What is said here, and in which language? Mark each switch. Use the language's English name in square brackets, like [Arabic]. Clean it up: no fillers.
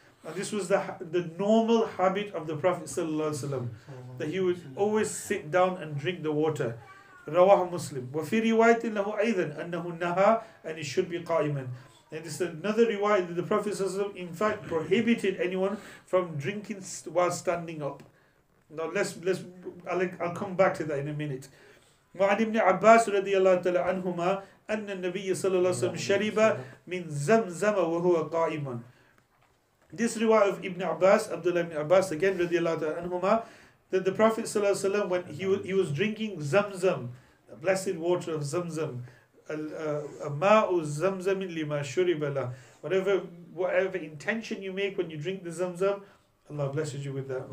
[English] And this was the normal habit of the Prophet ﷺ, that he would always sit down and drink the water. [Arabic] رواه مسلم. وَفِي رِوَايَةٍ لَهُ أَيْذًا أَنَّهُ نَهَى. [English] And it should be قَائِمًا. And this is another riwayat that the Prophet ﷺ in fact prohibited anyone from drinking while standing up. Now let's I'll come back to that in a minute. [Arabic] وعن ابن عباس رضي الله تعالى عنهما أن النبي صلى الله عليه وسلم شرب من زمزم وهو قائم. [English] This riwayah of Ibn Abbas, Abdullah ibn Abbas again [Arabic] رضي الله تعالى عنهما, [English] that the Prophet [Arabic] صلى الله عليه وسلم, [English] when he was drinking Zamzam, the blessed water of Zamzam, [Arabic] الماء زمزم لما شرب له, [English] whatever intention you make when you drink the Zamzam, Allah blesses you with that.